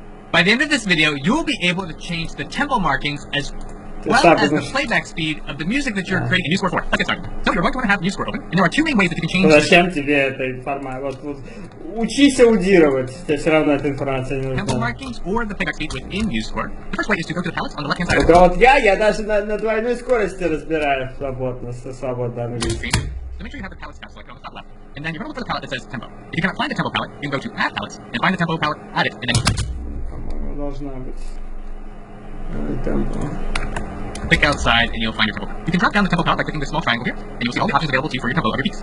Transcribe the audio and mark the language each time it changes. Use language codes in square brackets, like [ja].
[en] By the end of this video, you will be able to change the tempo markings as well as the playback speed of the music that you're creating a new score for. Let's get started. So you're going to want to have a new score open, and there are two main ways that you can change. [ru] Ну, зачем тебе эта информация? Вот, учись аудировать. Тебе все равно эта информация не нужна. [en] Tempo markings or the playback speed within MuseScore. The first way is to go to the palette on the left-hand side. [ru] Да вот я даже на двойной скорости разбираю свободно, со свободным английским. [en] So make sure you have the palette tab selected on the top left. And then you're going to look for the palette that says tempo. If you cannot find the tempo palette, you can go to add palettes and find the tempo palette, add it, and then... Click outside and you'll find your tempo palette. You can drop down the tempo palette by clicking the small triangle here, and you'll see all the options available to you for your tempo of your piece.